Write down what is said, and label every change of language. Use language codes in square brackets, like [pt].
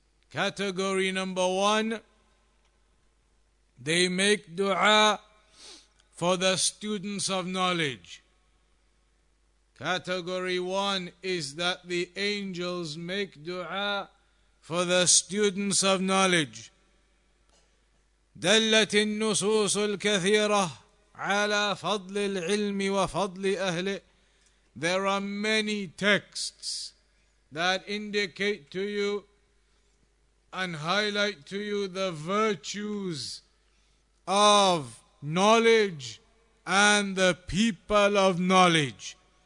[en] Category number one, they make dua for the students of knowledge. Category one is that the angels make dua for the students of knowledge. [ar] دلت النصوص الكثيرة على فضل العلم وفضل أهله. [en] There are many texts that indicate to you and highlight to you the virtues of knowledge and the people of knowledge.